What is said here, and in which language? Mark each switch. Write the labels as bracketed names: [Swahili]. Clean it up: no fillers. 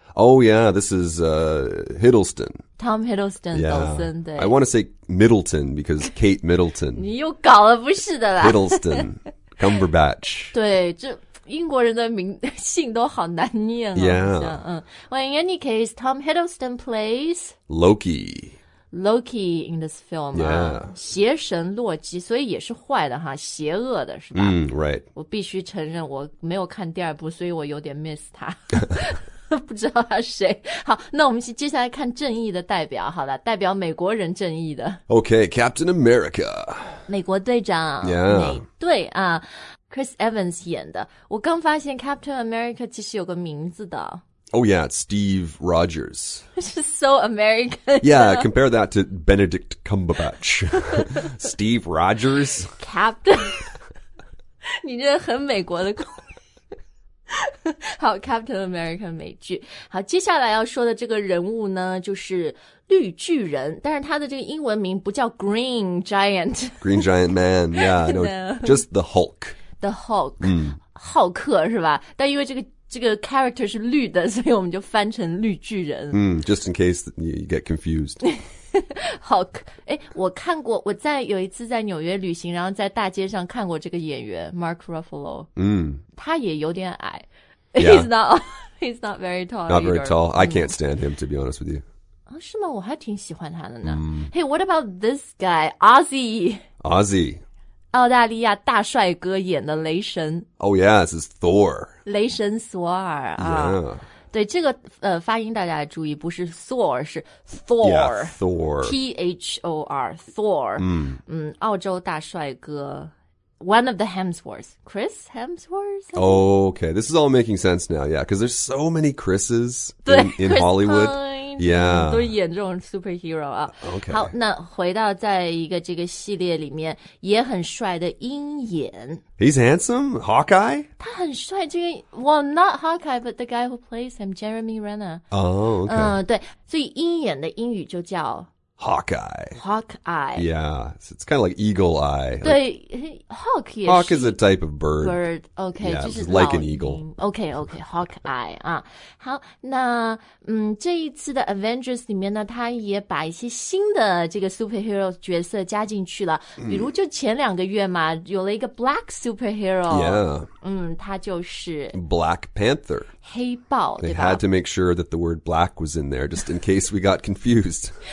[English] Oh yeah, this is Hiddleston. Tom Hiddleston, yeah. [Chinese] 抖森对。 [English] I want to say Middleton because Kate Middleton. [Chinese] 你又搞了不是的啦。 [English] Hiddleston, Cumberbatch. [Chinese] 对这英国人的名姓都好难念啊。 [English] Yeah. Well, in any case, Tom Hiddleston plays Loki. Loki in this film. Yeah. [Chinese] 邪神洛基，所以也是坏的哈，邪恶的是吧？ [English] Right. [Chinese] 我必须承认我没有看第二部，所以我有点 miss 他。不知道他是谁。好，那我们接下来看正义的代表，好了，代表美国人正义的。 [English] Okay, Captain America. [Chinese] 美国队长。 [English] Yeah. [Chinese] 美队啊，Chris Evans 演的。我刚发现 Captain America 其实有个名字的。 [English] Oh, yeah, Steve Rogers. Which is so American. Yeah, compare that to Benedict Cumberbatch. Steve Rogers. Captain. [Chinese] 你这很美国的口好 Captain America 美剧。好，接下来要说的这个人物呢，就是绿巨人，但是他的这个英文名不叫 Green Giant. [English] Green Giant Man, yeah. No, just the Hulk. [Chinese] The Hulk.、浩克是吧？但因为这个 character 是绿的，所以我们就翻成绿巨人。 [English] Just in case you get confused. Hulk. [Chinese] 我在有一次在纽约旅行，然后在大街上看过这个演员 Mark Ruffalo. 他也有点矮。 [English] Yeah. He's not very tall. Not very tall. I can't stand him, to be honest with you. [Chinese] 是吗？我还挺喜欢他的呢。 [English] Hey, what about this guy? Ozzy. Ozzy. [Chinese] 澳大利亚大帅哥演的雷神。 [English] Oh, yeah, this is Thor. [Chinese] 雷神索尔啊。 [English] Yeah. [Chinese] 对，这个发音大家注意，不是 Thor, 是 Thor. [English] Yeah, Thor. T-H-O-R, Thor. [Chinese] 澳洲大帅哥。 [English] One of the Hemsworths. Chris Hemsworth? Oh, okay, this is all making sense now, yeah, because there's so many Chris's in Hollywood. Yeah. [Chinese] 都是演这种 superhero 啊。 [English] Okay. [Chinese] 好，那回到在一个这个系列里面也很帅的鹰眼。 [English] He's handsome? Hawkeye? [Chinese] 他很帅，这个 [English] well, not Hawkeye, but the guy who plays him, Jeremy Renner. Oh, okay. [Chinese] 对，所以鹰眼的英语就叫 [English] Hawkeye. Yeah, so it's kind of like eagle eye. [Chinese] 对 ,Hawk 也是。 [English] Hawk is a type of bird. Bird, okay. Yeah, [Chinese] 就是 [English] like an eagle. Okay, Hawkeye. [Chinese] 好，那这一次的 Avengers 里面呢，他也把一些新的这个 superhero 角色加进去了。比如就前两个月嘛，有了一个 [English] black superhero. Yeah. [Chinese] 他就是。 [English] Black Panther. [Chinese] 黑豹，对吧？ [English] They had to make sure that the word black was in there, just in case we got confused.